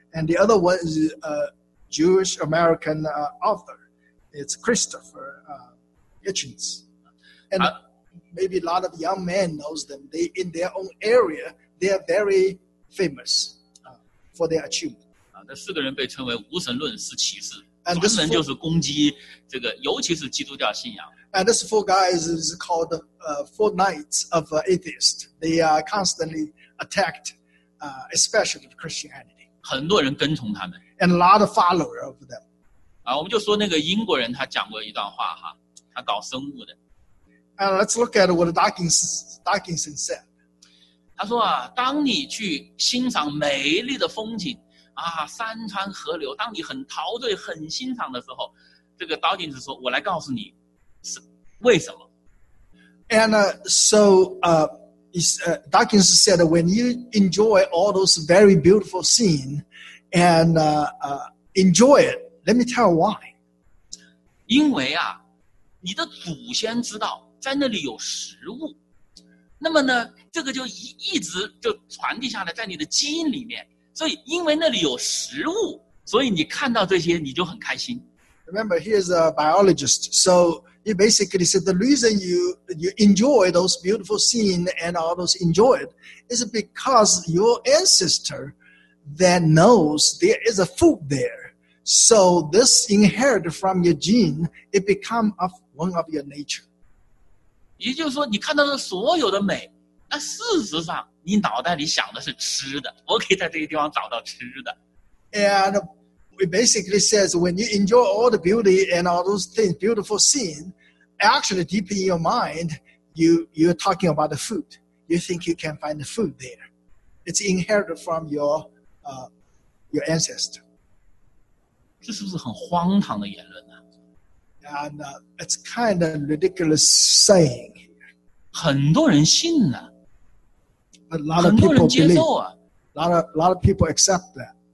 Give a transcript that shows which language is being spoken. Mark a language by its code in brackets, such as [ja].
[en] And the other one is a Jewish American author. It's Christopher Hitchens. And maybe a lot of young men knows them. They, in their own area, they are very famous for their achievement. [zh] 那四个人被称为无神论四骑士，无神就是攻击这个，尤其是基督教信仰。 [en] And these four guys is called four knights of atheist. They are constantly attacked, especially of Christianity. [zh] 很多人跟从他们。 [en] And a lot of followers of them. [zh] 啊，我们就说那个英国人他讲过一段话哈，他搞生物的。 [en] And let's look at what Dawkinson said. [zh] 他说啊，当你去欣赏美丽的风景。啊，山川河流，当你很陶醉、很欣赏的时候，这个道金子说：“我来告诉你，是为什么。” [en] And Dawkins said, when you enjoy all those very beautiful scene, and enjoy it, let me tell why. [zh] 因为啊，你的祖先知道在那里有食物，那么呢，这个就一直就传递下来，在你的基因里面。所以因为那里有食物，所以你看到这些你就很开心。 [en] Remember, he is a biologist, so he basically said the reason you enjoy those beautiful scene and all those enjoyed is because your ancestor that knows there is a food there. So this inherited from your gene, it become of one of your nature. [zh] 也就是说，你看到的所有的美，那事实上。你脑袋里想的是吃的，我可以在这个地方找到吃的。 [en] And it basically says when you enjoy all the beauty and all those things, beautiful scene, actually deep in your mind, you're talking about the food. You think you can find the food there. It's inherited from your ancestor. [zh] 这是不是很荒唐的言论呢？ [en] And it's kind of ridiculous saying. [zh] 很多人信呢。 [en] A lot of people believe. A lot of people accept that.